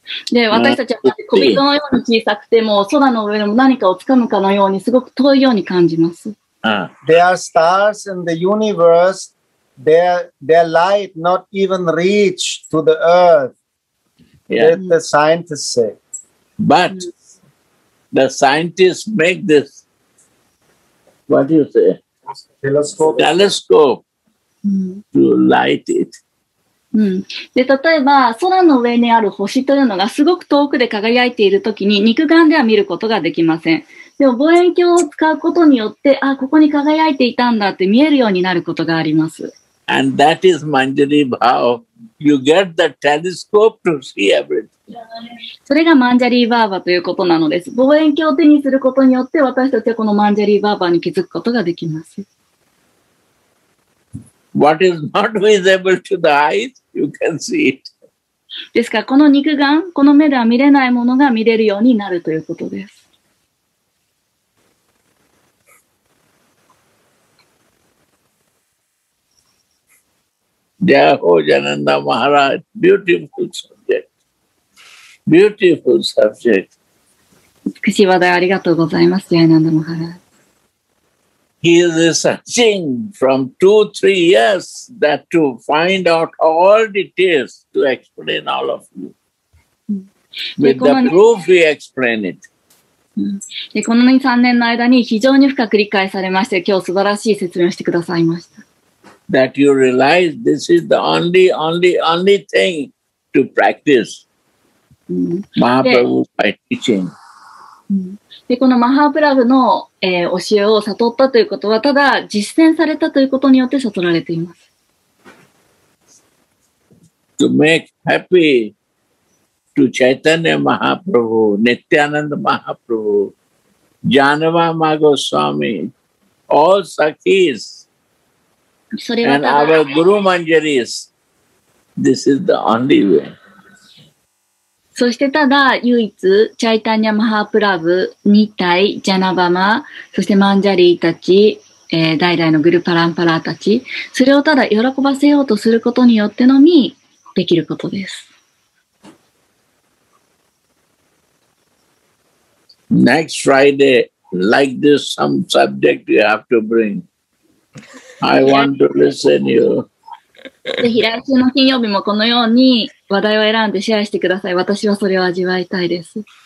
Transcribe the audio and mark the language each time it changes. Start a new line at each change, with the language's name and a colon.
Japanese: で、私たちは小人のように小さくても、空の上でも何かをつかむかのように、すごく遠いように感じます。
English: There are stars in the universe. Their light not even reach to the earth, as the scientists say. But the scientists make this, what do you say? Telescope to light it.
Japanese: で、例えば空の上にある星というのがすごく遠くで輝いているときに肉眼では見ることができません。でも望遠鏡を使うことによって、あ、ここに輝いていたんだって見えるようになることがあります。
English: And that is Manjari Bhava. You get the telescope to see everything.
Japanese: それがマンジャリーバーバーということなのです。望遠鏡を手にすることによって私たちはこのマンジャリーバーバーに気づくことができます。
English: What is not visible to the eyes, you can see it.
Japanese: ですからこの肉眼、この目では見れないものが見れるようになるということです。
English: Jaho Jananda Maharaj, beautiful subject. Beautiful subject.
Japanese: 美しい話題ありがとうございます、Jananda Maharaj.
English: He is searching from 2-3 years that to find out all details to explain all of you. With the proof, he explained it.
Japanese: で、この2、3年の間に非常に深く理解されまして、今日素晴らしい説明をしてくださいました。
English: That you realize this is the only thing to practice. マハプラブ by teaching。
Japanese: で、このマハプラブの、教えを悟ったということは、ただ実践されたということによって悟られています。
English: To make happy to Chaitanya Mahaprabhu, Nityananda Mahaprabhu, Janava Magoswami, all Sakis, and our Guru Manjaris, this is the only way.
Japanese: そしてただ唯一チャイタニャマハプラブ2体ジャナバマそしてマンジャリーたち、代々のグルパランパラーたちそれをただ喜ばせようとすることによってのみできることです
English: Next Friday like this some subject you have to bring I want to listen you
Japanese: ぜひ来週の金曜日もこのように話題を選んでシェアしてください。私はそれを味わいたいです。